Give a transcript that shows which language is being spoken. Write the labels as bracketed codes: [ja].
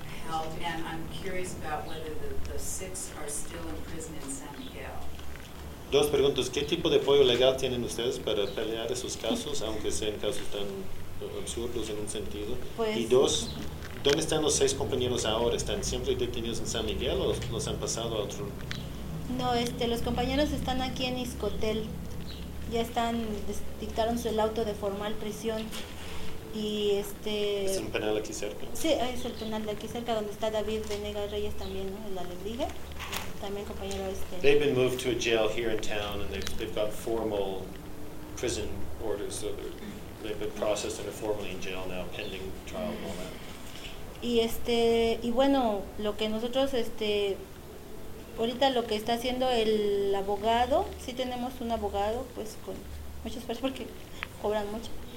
[en] And I'm curious about whether the six are still in prison in San Miguel. [es] Dos preguntas. ¿Qué tipo de apoyo legal tienen ustedes para pelear esos casos, aunque sean casos tan absurdos en un sentido? Pues, y dos, ¿dónde están los seis compañeros ahora? ¿Están siempre detenidos en San Miguel o los han pasado a otro? No, los compañeros están aquí en Iscotel. Ya están, dictaron el auto de formal prisión. Y es un penal aquí cerca. Sí, es el penal de aquí cerca donde está David Venegas Reyes también, ¿no? El Alebrije, también compañero [en] They've been moved to a jail here in town and they've got formal prison orders, so they've been processed and are formally in jail now pending trial and all that. [es] Y y bueno, lo que nosotros ahorita lo que está haciendo el abogado, sí tenemos un abogado pues con mucha suerte porque cobran mucho.